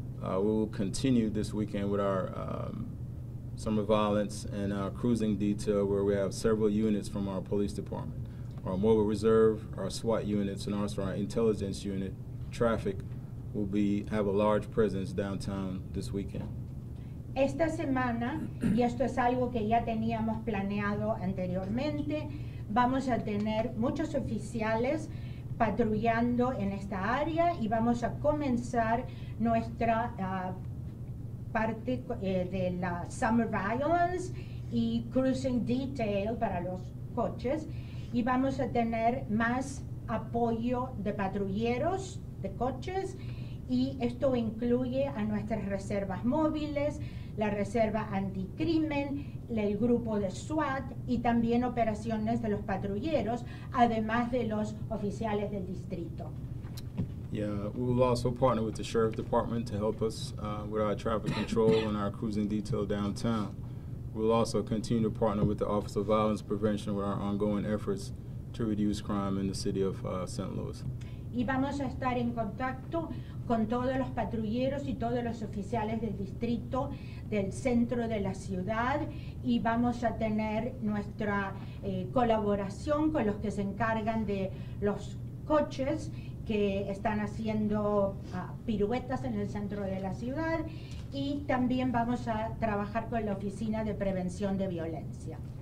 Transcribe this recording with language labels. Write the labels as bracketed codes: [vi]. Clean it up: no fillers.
[en] We will continue this weekend with our summer violence and our cruising detail, where we have several units from our police department, our mobile reserve, our SWAT units, and also our intelligence unit. Traffic will be have a large presence downtown this weekend. [es] Esta semana, y esto es algo que ya teníamos planeado anteriormente, vamos a tener muchos oficiales patrullando en esta área y vamos a comenzar nuestra parte de la Summer Violence y Cruising Detail para los coches. Y vamos a tener más apoyo de patrulleros de coches y esto incluye a nuestras reservas móviles, la reserva anticrimen, el grupo de SWAT y también operaciones de los patrulleros, además de los oficiales del distrito. [en] Yeah, we will also partner with the Sheriff's Department to help us with our traffic control and our cruising detail downtown. We'll also continue to partner with the Office of Violence Prevention with our ongoing efforts to reduce crime in the city of St. Louis. [es] Y vamos a estar en contacto con todos los patrulleros y todos los oficiales del distrito del centro de la ciudad y vamos a tener nuestra colaboración con los que se encargan de los coches que están haciendo piruetas en el centro de la ciudad y también vamos a trabajar con la Oficina de Prevención de Violencia.